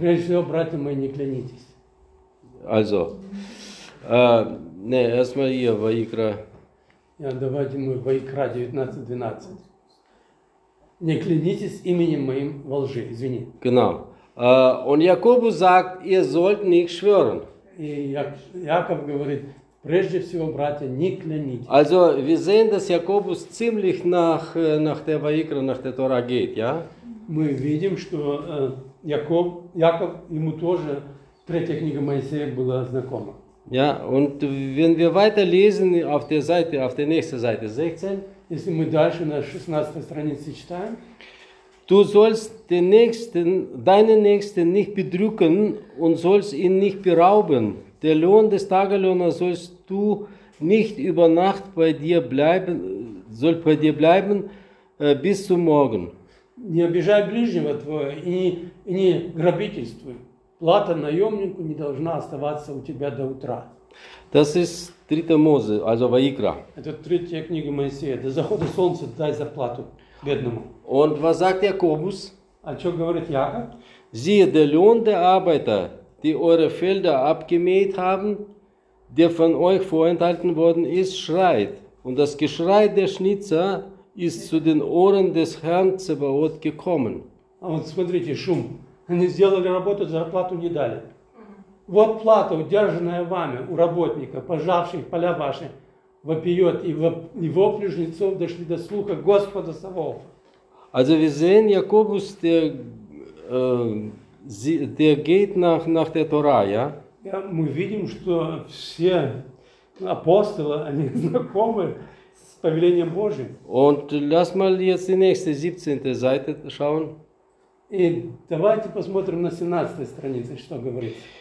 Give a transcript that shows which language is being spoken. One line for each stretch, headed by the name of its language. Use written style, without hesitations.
Russian: Прежде всего, братья мои, не клянитесь.
German: Also. Erstmal hier, Vaikra.
Russian: Ja, давайте мы Vaikra 19-12. Не клянитесь именем моим во лжи. Извини.
German: Genau. Und Jakobus sagt, ihr sollt nicht schwören.
Russian: И Яков говорит, прежде всего, братья, не клянитесь.
German: Also, wir sehen, dass Jakobus ziemlich nach der Vaikra, nach der Tora geht, ja?
Russian: Мы видим, что Яков, ему тоже третья книга Моисея была знакома.
German: Ja, und wenn wir weiterlesen auf der Seite, auf der nächsten Seite, 16.
Russian: если мы дальше на 16 странице читаем.
German: Du sollst den Nächsten, deinen Nächsten nicht bedrücken und sollst ihn nicht berauben. Der Lohn des Tagelöhners sollst du nicht über Nacht bei dir bleiben, soll bei dir bleiben bis zum Morgen.
Russian: Не обижай ближнего твоего и не грабительствуй. Плата наемнику не должна оставаться у тебя до утра.
German: Das ist dritte Mose, also Vaikra.
Russian: Это третья книга Моисея. До захода солнца дай зарплату бедному.
German: Und was sagt Jakobus?
Russian: А что говорит Яков?
German: Siehe, der Lohn der Arbeiter, die eure Felder abgemäht haben, der von euch vorenthalten worden ist, schreit. Und das Geschrei der Schnitzer ist zu den Ohren des Herrn Zebaoth gekommen.
Russian: А вот смотрите, шум. Они сделали работу, зарплату не дали. Вот плата, удержанная вами у работника, пожавших поля ваши, вопиет, и вопли жнецов дошли до слуха Господа Саваофа.
German: Also wir sehen Jakobus, der geht nach der Tora, ja?
Russian: Ja, мы видим, что все апостолы, они знакомы с повелением Божьим.
German: Und lass mal jetzt die nächste 17. Seite schauen.
Russian: И давайте посмотрим на 17 странице, что говорит.